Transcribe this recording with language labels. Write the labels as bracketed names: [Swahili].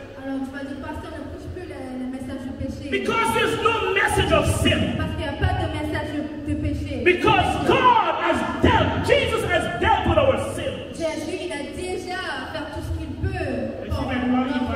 [French] Alors tu vas dire pasteur ne prêche plus le message de péché. [English] Because there's no message of sin. [French] Parce qu'il n'y a pas de message de péché. [English] Because God has dealt, Jesus has dealt with our sins. [French] Jésus il a déjà fait tout ce qu'il peut.